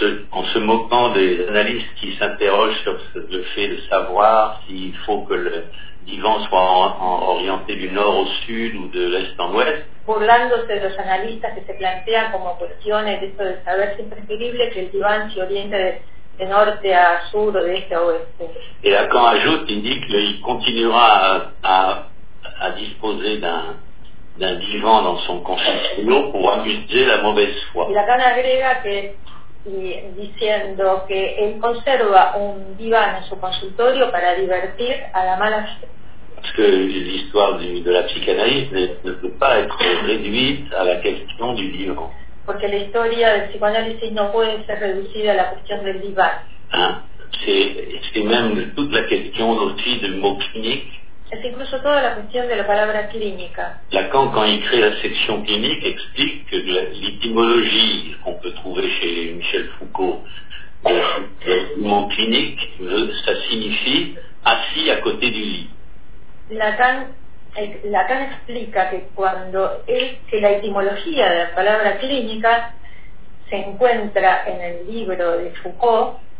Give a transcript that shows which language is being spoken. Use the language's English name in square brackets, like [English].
[French] En se moquant des analystes qui s'interrogent sur le fait de savoir s'il faut que le divan soit orienté du nord au sud ou de l'est en ouest. [Spanish] Burlándose de los analistas que se plantean como cuestiones de esto de saber si es preferible que el diván se oriente de norte a sur o de este a oeste. [French] Et Lacan ajoute, indique qu'il continuera à disposer d'un divan dans son consultorio pour amuser la mauvaise foi. [Spanish] Y Lacan agrega que, diciendo que él conserva un diván en su consultorio para divertir a la mala fe. [French] Parce que l'histoire de la psychanalyse ne peut pas être réduite à la question du divan. [Spanish] Porque la historia del psicoanálisis no puede ser reducida a la cuestión del divan. [French] C'est même toute la question aussi du mot clinique. [Spanish] Es incluso toda la cuestión de la palabra clínica. [French] Lacan, quand il crée la section clinique, explique que l'étymologie qu'on peut trouver chez Michel Foucault du mot clinique, ça signifie assis à côté du lit. [Spanish] Lacan explica que cuando es que la etimología de la palabra clínica se encuentra en el libro de Foucault,